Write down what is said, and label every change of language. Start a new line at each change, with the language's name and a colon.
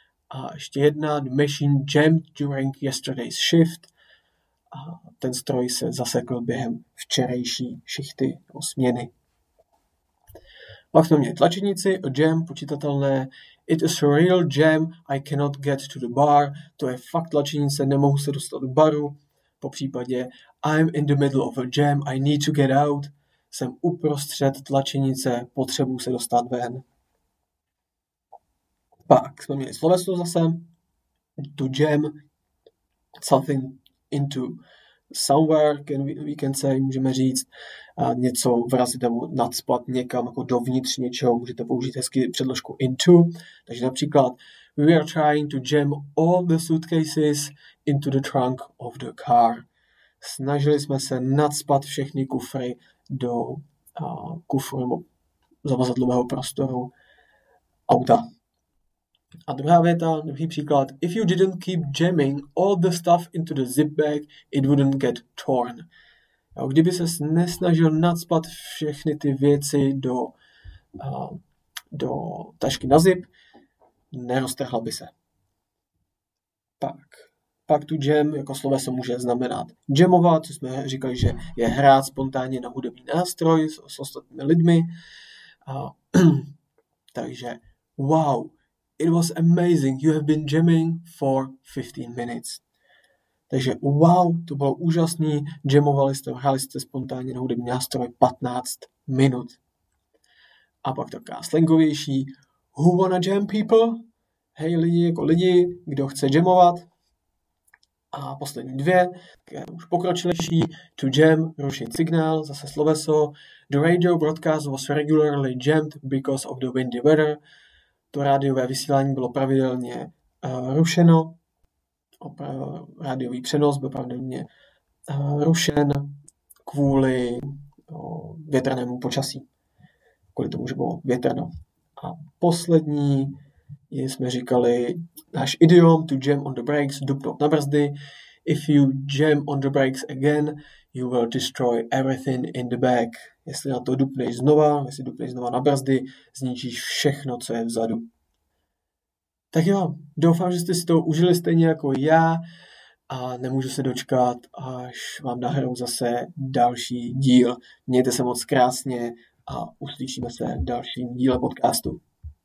Czech: A ještě jedna,
English: the machine jammed during yesterday's shift.
Czech: A ten stroj se zasekl během včerejší šichty o směny. Pak jsme měli tlačenici, a jam, počítatelné.
English: It is a real jam, I cannot get to the bar.
Czech: To je fakt tlačenice, nemohu se dostat do baru. Po případě,
English: I'm in the middle of a jam, I need to get out.
Czech: Jsem uprostřed tlačenice, potřebuji se dostat ven. Pak jsme měli sloveso zase,
English: to jam, something into somewhere, we can say,
Czech: můžeme říct, něco vrazit nebo nadspat někam, jako dovnitř něčeho, můžete použít hezky předložku into, takže například,
English: we are trying to jam all the suitcases into the trunk of the car.
Czech: Snažili jsme se nadspat všechny kufry do kufru nebo zavazadlového prostoru auta. A druhá věta, druhý příklad.
English: If you didn't keep jamming all the stuff into the zip bag, it wouldn't get torn.
Czech: Jo, kdyby ses nesnažil nacpat všechny ty věci do tašky na zip, neroztrhla by se. Tak. Pak tu jam, jako sloveso, může znamenat jamovat, co jsme říkali, že je hrát spontánně na hudební nástroj s ostatními lidmi. Takže wow.
English: It was amazing, you have been jamming for 15 minutes.
Czech: Takže wow, to bylo úžasný, jamovali jste, hráli jste spontánně na hudební nástroj 15 minut. A pak taková slangovější,
English: who wanna jam people?
Czech: Hej lidi, jako lidi, kdo chce jamovat? A poslední dvě, které už pokročilejší, to jam, rušit signál, zase sloveso,
English: the radio broadcast was regularly jammed because of the windy weather.
Czech: To rádiové vysílání bylo pravidelně rušeno. Rádiový přenos byl pravidelně rušen kvůli větrnému počasí. Kvůli tomu, že bylo větrno. A poslední, jsme říkali, náš idiom,
English: to jam on the brakes,
Czech: dupnout na brzdy.
English: If you jam on the brakes again, you will destroy everything in the back.
Czech: Jestli na to dupneš znova, jestli dupneš znova na brzdy, zničíš všechno, co je vzadu. Tak jo, doufám, že jste si to užili stejně jako já a nemůžu se dočkat, až vám nahrou zase další díl. Mějte se moc krásně a uslyšíme se v dalším díle podcastu.